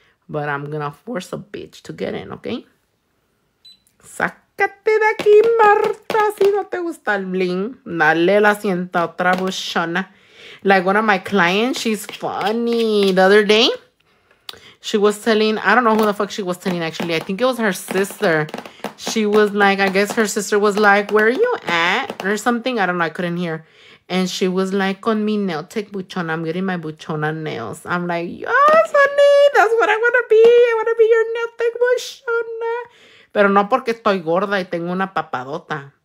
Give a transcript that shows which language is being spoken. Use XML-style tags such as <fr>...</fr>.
<en>But I'm gonna force a bitch to get in, okay?</en> <es>Sácate de aquí, Marta, si no te gusta el bling. Dale la sienta otra buchona.</es> <en>Like one of my clients, she's funny. The other day, she was telling, I don't know who the fuck she was telling, actually. I think it was her sister. She was like, I guess her sister was like, where are you at? Or something, I don't know, I couldn't hear. And she was like,</en> <es>con mi nail tech buchona,</es> <en>I'm getting my buchona nails. I'm like, yes, honey, that's what I want to be. I want to be your nail tech buchona.</en> <es>Pero no porque estoy gorda y tengo una papadota.</es>